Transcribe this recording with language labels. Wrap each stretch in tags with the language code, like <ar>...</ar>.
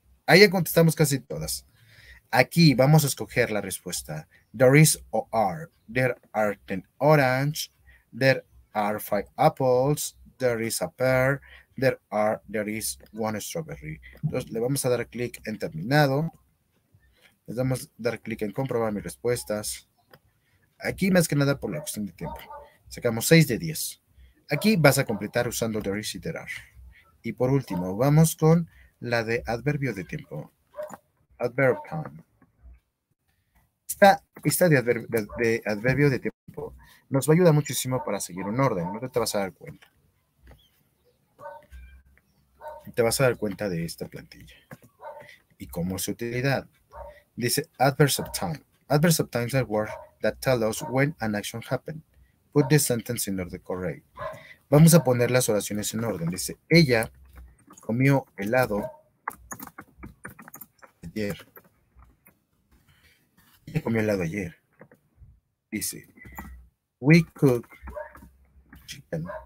<es>Ahí ya contestamos casi todas. Aquí vamos a escoger la respuesta.</es> <en>There is or are. There are 10 orange, there are 5 apples, there is a pear, there is one strawberry.</en> <es>Entonces, le vamos a dar clic en terminado. Les vamos a dar clic en comprobar mis respuestas. Aquí, más que nada, por la cuestión de tiempo. Sacamos 6 de 10. Aquí vas a completar usando there is y there are. Y por último, vamos con la de adverbio de tiempo. Adverb time. Esta de adverbio de tiempo nos va a ayudar muchísimo para seguir un orden. No te vas a dar cuenta. Te vas a dar cuenta de esta plantilla. ¿Y cómo es su utilidad? Dice adverbs of time.</es> <en>Adverbs of time is a word that tells us when an action happened. Put the sentence in order correct.</en> <es>Vamos a poner las oraciones en orden. Dice, ella comió helado ayer. Ella comió helado ayer. Dice,</es> <en>we cook chicken.</en>